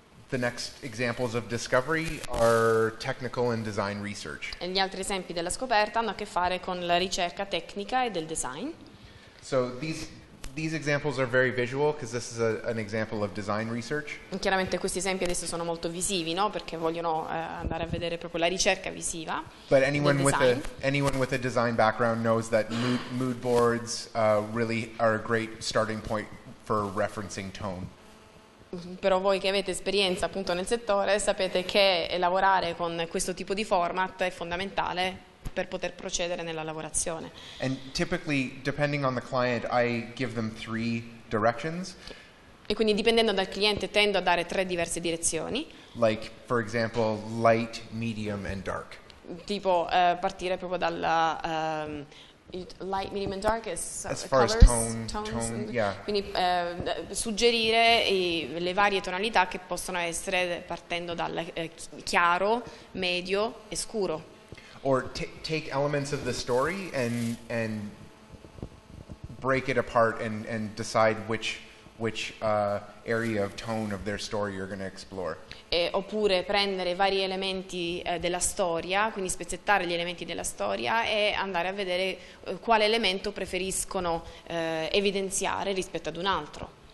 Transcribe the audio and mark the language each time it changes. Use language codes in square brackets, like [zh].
[en] The next examples of discovery are technical and design research. [it] E gli altri esempi della scoperta hanno a che fare con la ricerca tecnica e del design. [en] So these these examples are very visual because this is an example of design research. [it] Chiaramente questi esempi adesso sono molto visivi, no? Perché vogliono andare a vedere proprio la ricerca visiva. [en] But anyone with a design background knows that mood boards really are a great starting point for referencing tone. [it] Però voi che avete esperienza appunto nel settore sapete che lavorare con questo tipo di format è fondamentale per poter procedere nella lavorazione. [en] And typically, depending on the client, I give them three directions. [it] E quindi dipendendo dal cliente tendo a dare tre diverse direzioni. [en] Like, for example, light, medium and dark. [it] Tipo partire proprio dalla [en] light, medium and dark is as far colors, as tone, tone yeah. [it] Quindi suggerire le varie tonalità che possono essere partendo dal chiaro, medio e scuro. [en] Or take elements of the story and break it apart and decide which area of tone of their story you're going to explore. [it] Oppure prendere vari elementi della storia, quindi spezzettare gli elementi della storia e andare a vedere quale elemento preferiscono evidenziare rispetto ad un altro.